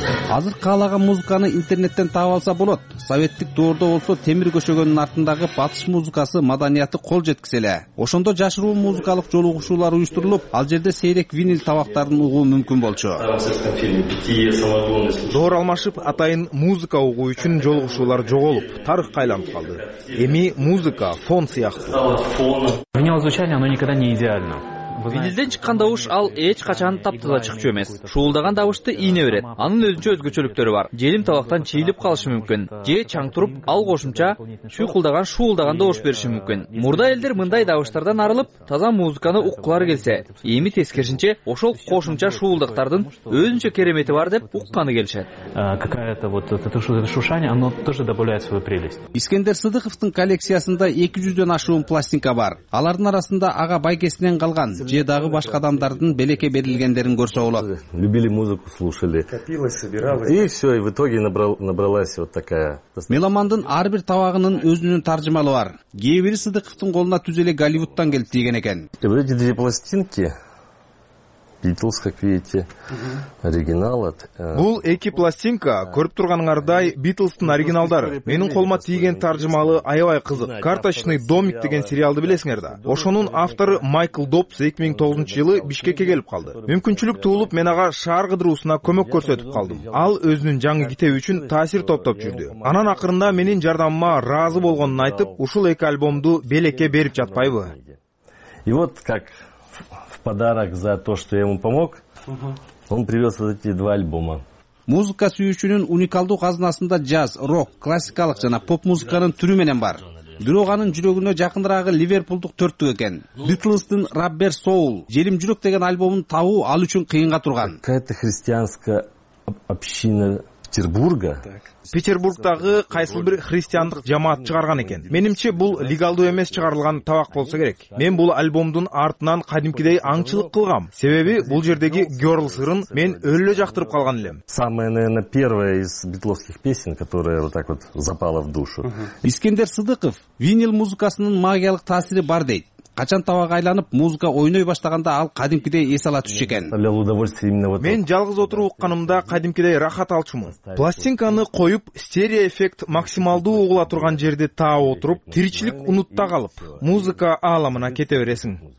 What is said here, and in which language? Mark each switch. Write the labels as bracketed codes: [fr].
[ky] Азыр каалаган музыканы интернеттен таап алса болот. Советтик доордо болсо темир көшөгөнүн артындагы батыш музыкасы маданияты кол жеткизе эле. Ошондо жашыруу музыкалык жолугушуулар уюштурулуп, ал жерде сейрек винил табактарын угуу мүмкүн болчу. Доор алмашып атайын музыка угуу үчүн жолугушуулар жоголуп, тарых кайланып калды. Эми музыка фон сыяктуу. [ru] Винил звучание, оно никогда не идеально. [ky] Винилден чыккан дабыш ал эч качан таптаза чыкчу эмес. Шуулдаган дабышты ийне берет. Анын өзүнчө өзгөчөлүктөрү бар. Желим табактан чийилип калышы мүмкүн. Же чаң туруп, ал кошумча чуйкулдаган шуулдаган дабыш бериши мүмкүн. Мурда элдер мындай дабыштардан арылып, таза музыканы уккулары келсе, эми тескерисинче ошол кошумча шуулдуктардын өзүнчө керемети бар деп укканы келишет. Искендер Сыдыковтун коллекциясында 200 ашуун пластинка бар. Алардын арасында ага байкесинен калган же дагы башка адамдардын белеке берилгендерин көрсө болот. [ru] Любили музыку слушали. Копилось, собиралось. И всё, и в итоге набралась вот такая. [ky] Меломандын ар бир табагынын өзүнүн таржымалы бар. Кээ бири Сыдыковтун колуна түз эле Голливуддан келип тийген экен. [ru] Вроде две пластинки. Beatles, как видите, оригинал. [ky] Бул эки пластинка, көрүп турганыңардай, Beatles'тын оригиналдары. Менин колума тийген таржымалы аябай кызык. Карточный домик деген сериалды билесиңер да. Ошонун автору Майкл Добс 2009 жылы Бишкекке келип калды. Мүмкүнчүлүк туулуп, мен ага шаар кыдыруусуна көмөк көрсөтүп калдым. Ал өзүнүн жаңы китеби үчүн таасир топтоп жүрдү. Анан акырында менин жардамыма разы болгонун айтып, ушул эки альбомду белекке берип жатпайбы? [ru] И вот как подарок за то, что я ему помог. Он привез вот эти два альбома. [ky] Музыка сүйүүчүнүн уникалдуу казынасында джаз, рок, классикалык жана поп музыканын түрү менен бар. бирок анын жүрөгүнө жакындырагы Ливерпулдук төрттүк экен. Битлстын Rubber Soul, Желим жүрөк деген альбомун табуу ал үчүн кыйынга турган. [ru] Какая-то христианская община Петербурга. [ky] Петербургдагы кайсыл бир христиандык жамаат чыгарган экен. Менимче бул легалдуу эмес чыгарылган табак болсо керек. Мен бул альбомдун артынан кадимкидей аңчылык кылгам. Себеби бул жердеги Girl сырын мен өлө жактырып калган элем. [ru] Самая, наверное, первая из битловских песен, которая вот так вот запала в душу. [ky] Искендер Сыдыков винил музыкасынын магиялык таасири бар дейт. Качан табага айланып, музыка ойной баштаганда ал кадимкидей эс ала түшчү экен. Мен жалгыз отуруп укканымда кадимкидей рахат алчумун. Пластинканы коюп, стерео эффект максималдуу угула турган жерде таа отуруп, тиричилик унутта калып, музыка ааламына кете бересиң.